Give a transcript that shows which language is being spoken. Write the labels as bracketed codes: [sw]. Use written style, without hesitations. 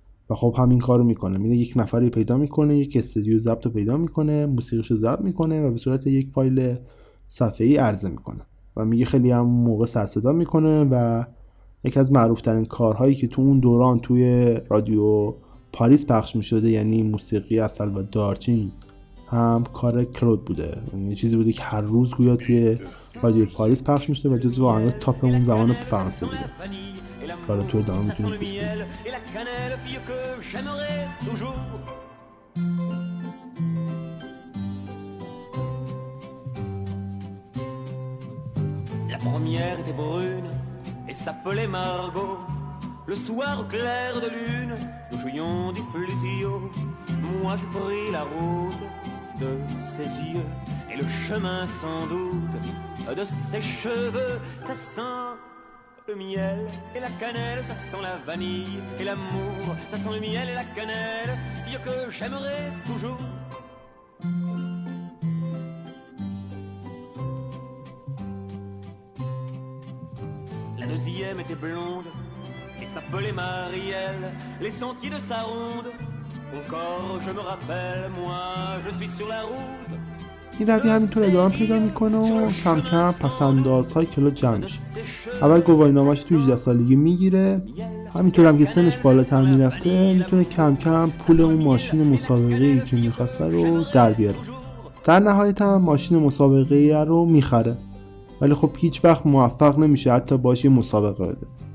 [fa] و خب همین کارو میکنه، میره یک نفری پیدا میکنه، یک استدیو ضبطو پیدا میکنه، موسیقیشو ضبط میکنه و به صورت یک فایل صفحه‌ای عرضه میکنه و میگه خیلی هم موقع سر صدا میکنه و یکی از معروف ترین کارهایی که تو اون دوران توی رادیو پاریس پخش میشده یعنی موسیقی اصل و دارچین هم کار کلود بوده. یعنی چیزی بوده که هر روز گویا توی رادیو پاریس پخش میشده و جزو آهنگ تاپ اون زمان فرانسه بوده. [fr] Voilà, tout est dans le miel et la cannelle, vieux que j'aimerais toujours. La première était brune et s'appelait Margot. Le soir au clair de lune, nous jouions du flutio. Moi, je pris la route de ses yeux et le chemin sans doute de ses cheveux. Ça sent le miel et la cannelle, ça sent la vanille et l'amour, ça sent le miel et la cannelle, fille que j'aimerais toujours. La deuxième était blonde et s'appelait Marielle, les sentiers de sa ronde, encore je me rappelle, moi je suis sur la route. [fa] این روی همینطور ادامه پیدا میکنه و کم کم پسندازهای کلود جمع میشه. اول گواهینامه‌اش تو 18 سالگی میگیره، همینطور هم که سنش بالاتر میرفته میتونه کم کم پول اون ماشین مسابقه‌ای که میخواسته رو در بیاره. در نهایت هم ماشین مسابقه‌ای رو میخره، ولی خب هیچ وقت موفق نمیشه حتی باشه مسابقه بده.